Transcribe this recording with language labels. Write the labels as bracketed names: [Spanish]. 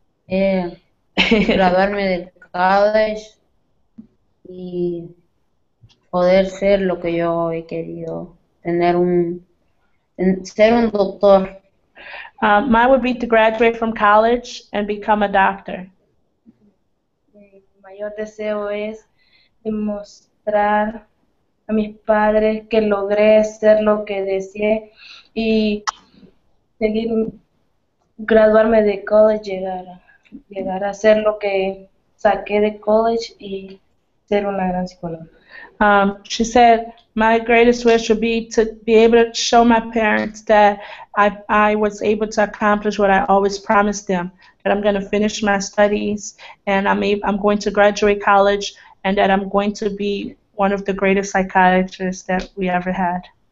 [Spanish] Graduarme del college y poder ser lo que yo he querido, tener un doctor. [English] Mine would be to graduate from college and become a doctor. [Spanish] Mi mayor deseo es demostrar a mis padres que logré ser lo que deseé y seguir graduarme de college, llegar a ser lo que saqué de college y ser una gran psicóloga. [English] She said, my greatest wish would be to be able to show my parents that I was able to accomplish what I always promised them, that I'm going to finish my studies and I'm going to graduate college and that I'm going to be one of the greatest psychiatrists that we ever had.